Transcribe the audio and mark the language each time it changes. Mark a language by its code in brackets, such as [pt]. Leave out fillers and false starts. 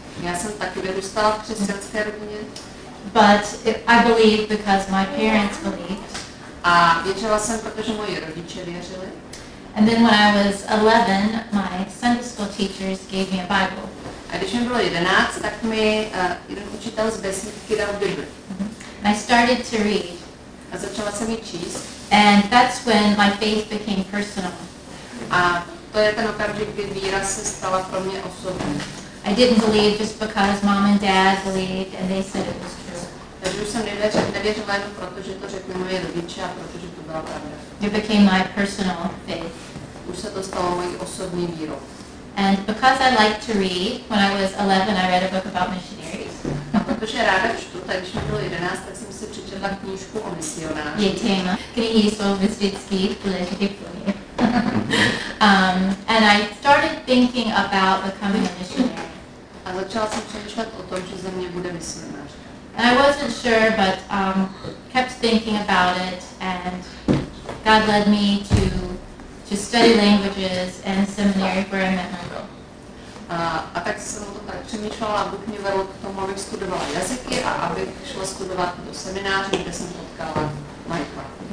[cs] Já jsem taky vyrůstala v křesťanské rodině. [en] But I believe because my parents believed. [cs] A věřila jsem, protože moji rodiče věřili. [en] And then when I was 11, my Sunday school teachers gave me a Bible. [cs] A když mi bylo 11, tak mi jeden učitel z besídky dal Bibli. [en] I started to read. [cs] A začala jsem ji číst. [en] And that's when my faith became personal. [cs] A to je ten okamžik, kdy víra se stala pro mě osobní. [en] I didn't believe just because mom and dad believed and they said it was true. [cs] Takže už jsem nevěřila jenom proto, že to řekli moje rodiče a protože to byla pravda. [en] It became my personal faith. [cs] Už se to stalo mojí osobní vírou. [en] And because I liked to read, when I was 11, I read a book about missionaries. [cs] A protože ráda čtu, tak když mi bylo 11, tak jsem si přečetla knížku o misionářích. Je téma, který jsou vždycky důležitý pro mě. [en] And I started thinking about becoming a missionary. [cs] A začala jsem přemýšlet o tom, že ze mě bude misionář. [en] And I wasn't sure, but kept thinking about it, and God led me to study languages and seminary where I met my girl. [cs] A tak jsem o tom tak přemýšlela a Bůh mě vedl k tomu, abych studovala jazyky a abych šla studovat do semináře, kde jsem potkala Michaela.